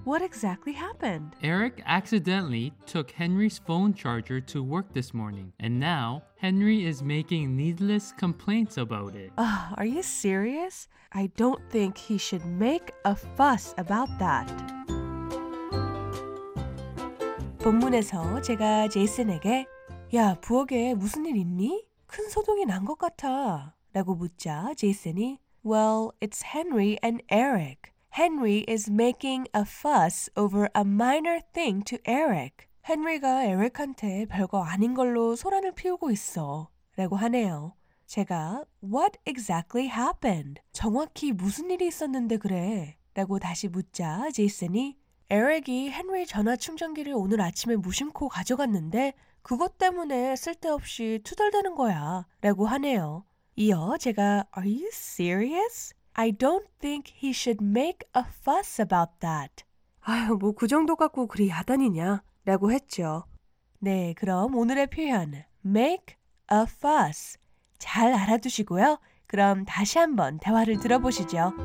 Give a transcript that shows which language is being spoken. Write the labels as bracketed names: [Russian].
[English] What exactly happened? Eric accidentally took Henry's phone charger to work this morning, and now Henry is making needless complaints about it. Ugh, are you serious? I don't think he should make a fuss about that. [Korean] 본문에서 제가 제이슨에게 야, 부엌에 무슨 일 있니? 큰 소동이 난 것 같아 라고 묻자 제이슨이 [English] Well, it's Henry and Eric. Henry is making a fuss over a minor thing to Eric. [Korean] 헨리가 에릭한테 별거 아닌 걸로 소란을 피우고 있어 라고 하네요. 제가 [English] What exactly happened? [Korean] 정확히 무슨 일이 있었는데 그래? 라고 다시 묻자 제이슨이 에릭이 헨리 전화 충전기를 오늘 아침에 무심코 가져갔는데 그것 때문에 쓸데없이 투덜대는 거야 라고 하네요. 이어 제가 [English] Are you serious? I don't think he should make a fuss about that. [Korean] 아휴 뭐 그 정도 갖고 그리 야단이냐 라고 했죠. 네 그럼 오늘의 표현 make a fuss 잘 알아두시고요. 그럼 다시 한번 대화를 들어보시죠.